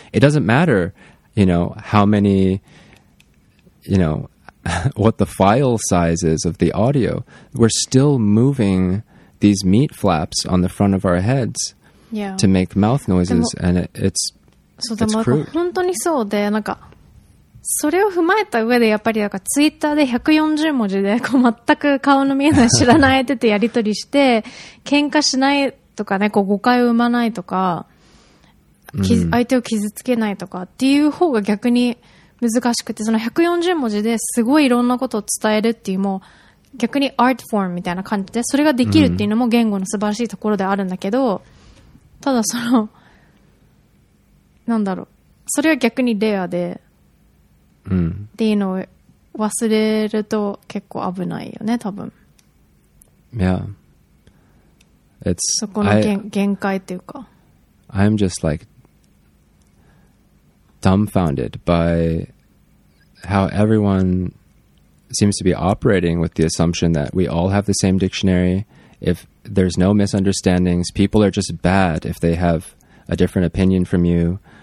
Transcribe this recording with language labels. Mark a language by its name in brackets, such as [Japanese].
[English] It doesn't matter, you know, how many, you know, what the file size is of the audio. We're still moving these meat flaps on the front of our heads, yeah, to make mouth noises, and it's so it's crude. [Japanese] 本当にそうで、なんかそれを踏まえた上でやっぱりなんかツイッターで140文字でこう全く顔の見えない知らない相手とやり取りして喧嘩しないとかね、こう誤解を生まないとか、相手を傷つけないとかっていう方が逆に難しくて、その140文字ですごいいろんなことを伝えるっていう、もう逆にアートフォームみたいな感じでそれができるっていうのも言語の素晴らしいところであるんだけど、ただそのなんだろう、それは逆にレアで、うん、っていうのを忘れると結構危ないよね多分。いや、It's, そこの限界っていうか、 [English] I'm just like dumbfounded by how everyone seems to be operating with the assumption that we all have the same dictionary. If there's no misunderstandings, people are just bad if they have a different opinion from you.